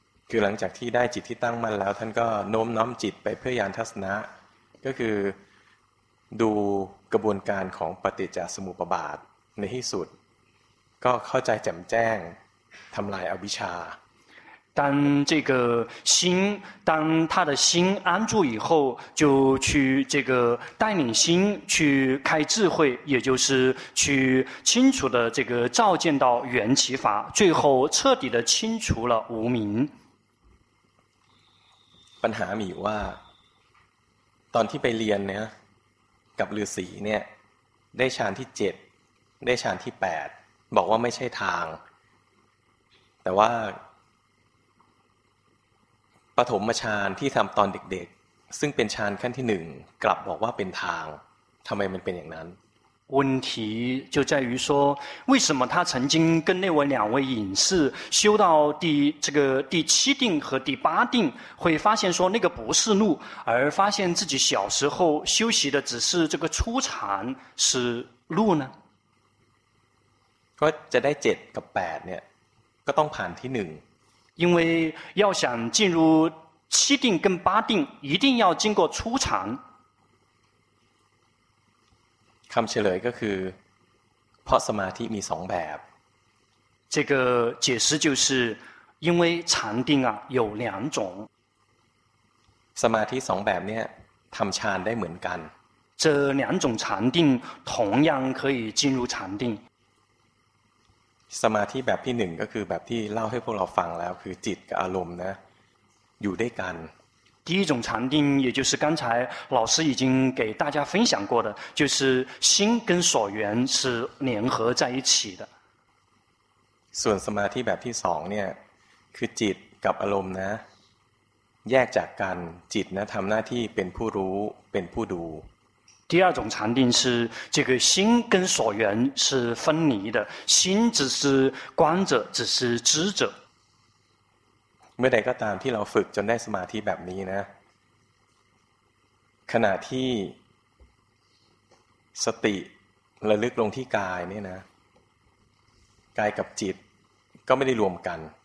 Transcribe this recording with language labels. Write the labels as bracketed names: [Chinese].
[Thai] คือหลังจากที่ได้จิตที่ตั้งมั่นแล้วท่านก็โน้มน้อมจิตไปเพื่อญาณทัสสนะก็คือดูกระบวนการของปฏิจจสมุปบาทในที่สุดก็เข้าใจแจ่มแจ้งทำลายอวิชชา [Chinese] 当这个心当他的心安住以后就去这个带领心去开智慧也就是去清楚的这个照见到缘起法最后彻底的清除了无明 [Thai] ปัญหามีว่าตอนที่ไปเรียนเนี่ยกับฤาษีเนี่ยได้ฌานที่7ได้ฌานที่8บอกว่าไม่ใช่ทางแต่ว่าปฐมฌานที่ทำตอนเด็กๆซึ่งเป็นฌานขั้นที่1กลับบอกว่าเป็นทางทำไมมันเป็นอย่างนั้น [Chinese] 问题就在于说，为什么他曾经跟那位两位隐士修到第七定和第八定，会发现说那个不是路，而发现自己小时候修习的只是这个初禅是路呢？ [Thai] ก็จะได้7กับ8เนี่ยก็ต้องผ่านที่1 [Chinese] 因为要想进入七定跟八定一定要经过初禅 [Thai] คำเฉลยก็คือเพราะสมาธิมี2แบบ [Chinese] 这个解释就是因为禅定啊有两种 [Thai] สมาธิ2แบบเนี่ยทำฌานได้เหมือนกัน [Chinese] 这两种禅定同样可以进入禅定 [Thai] สมาธิแบบที่หนึ่งก็คือแบบที่เล่าให้พวกเราฟังแล้วคือจิตกับอารมณ์นะอยู่ด้วยกัน [Chinese] 第一种禅定也就是刚才老师已经给大家分享过的就是心跟所缘是联合在一起的 [Thai] ส่วนสมาธิแบบที่สองเนี่ยคือจิตกับอารมณ์นะแยกจากกันจิตนะทำหน้าที่เป็นผู้รู้เป็นผู้ดู [Chinese] 第二种禅定是这个心跟所缘是分离的，心只是观者，只是知者。 [Thai] เมื่อใดก็ตามที่เราฝึกจนได้สมาธิแบบนี้นะขณะที่สติระลึกลงที่กายนี่นะกายกับจิตก็ไม่ได้รวมกัน